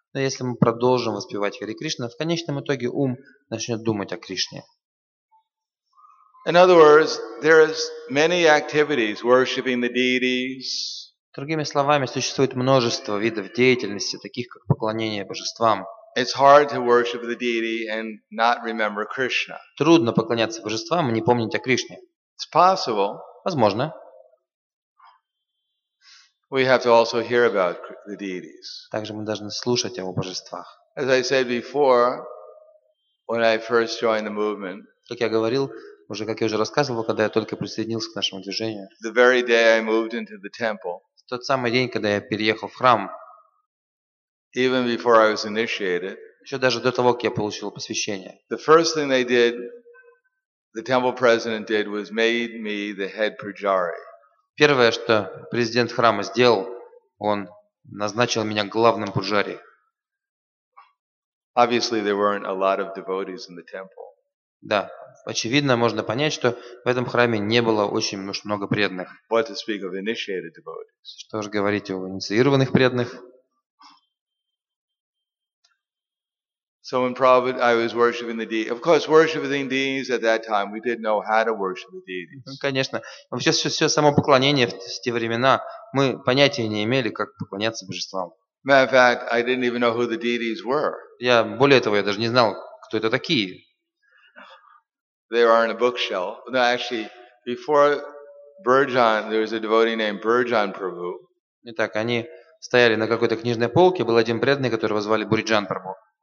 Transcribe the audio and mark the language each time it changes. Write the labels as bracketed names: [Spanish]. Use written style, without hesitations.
[Russian] Но если мы продолжим воспевать Хари Кришна, в конечном итоге ум начнет думать о Кришне. [English] In other words, there is many activities worshiping the deities. [Russian] Другими словами, существует множество видов деятельности, таких как поклонение божествам. [English] It's hard to worship the deity and not remember Krishna. [Russian] Трудно поклоняться божествам и не помнить о Кришне. [English] It's possible. [Russian] Возможно. [English] We have to also hear about the deities. [Russian] Также мы должны слушать о божествах. [English] As I said before, when I first joined the movement, [Russian] как я говорил, уже как я уже рассказывал, когда я только присоединился к нашему движению. [English] The very day I moved into the temple. [Russian] В тот самый день, когда я переехал в храм. [English] Even before I was initiated. [Russian] Еще даже до того, как я получил посвящение. [English] The first thing they did, the temple president did, was made me the head pujari. [Russian] Первое, что президент храма сделал, он назначил меня главным пуджари. [English] Obviously, there weren't a lot of devotees in the temple. [Russian] Да, очевидно, можно понять, что в этом храме не было очень много преданных. [English] What to speak of initiated devotees? [Russian] Что же говорить о инициированных преданных? [English] So in Prabhupada, I was worshiping the deities. Of course, worshiping the deities at that time, we didn't know how to worship the deities. [Russian] Конечно. Все само поклонение в те времена, мы понятия не имели, как поклоняться божествам. [English] Matter of fact, I didn't even know who the deities were. [Russian] Я, более того, я даже не знал, кто это такие. [English] They are on a bookshelf. No, actually, before Burjan, there was a devotee named Burjan Prabhu. [Russian] Итак, они стояли на какой-то книжной полке, был один преданный, которого звали Бурджан Прабху.